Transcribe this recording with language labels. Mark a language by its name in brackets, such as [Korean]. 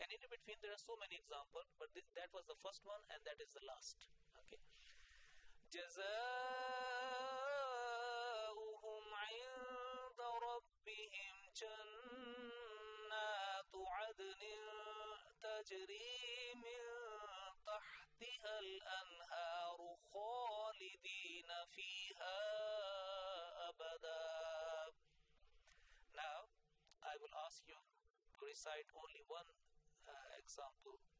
[English] And in between, there are so many examples, but that was the first one, and that is the last. Okay. [Arabic] جزاؤهم عند ربهم جنات عدن تجري من تحتها الأنهار خالدين فيها أبدا. [English] Now, I will ask you to recite only one example.